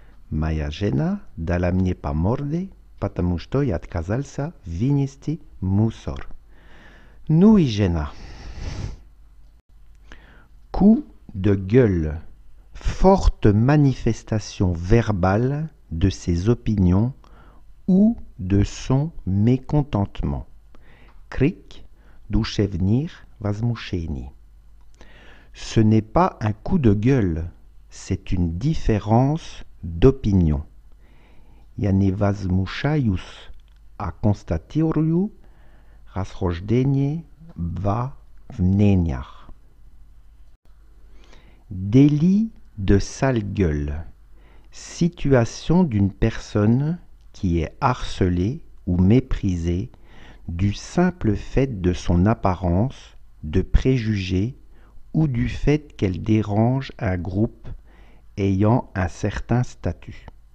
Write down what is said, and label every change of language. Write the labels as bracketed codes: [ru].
[ru] Моя жена дала мне по морде, потому что я отказался вынести мусор. Ну и жена. [fr] Coup de gueule. Forte manifestation verbale de ses opinions ou de son mécontentement. [ru] Крик душевних возмущений. [fr] Ce n'est pas un coup de gueule, c'est une différence d'opinion. [ru] Я не возмущаюсь, а констатирую расхождение во мнениях. [fr] Délit de sale gueule. Situation d'une personne qui est harcelée ou méprisé du simple fait de son apparence, de préjugés ou du fait qu'elle dérange un groupe ayant un certain statut.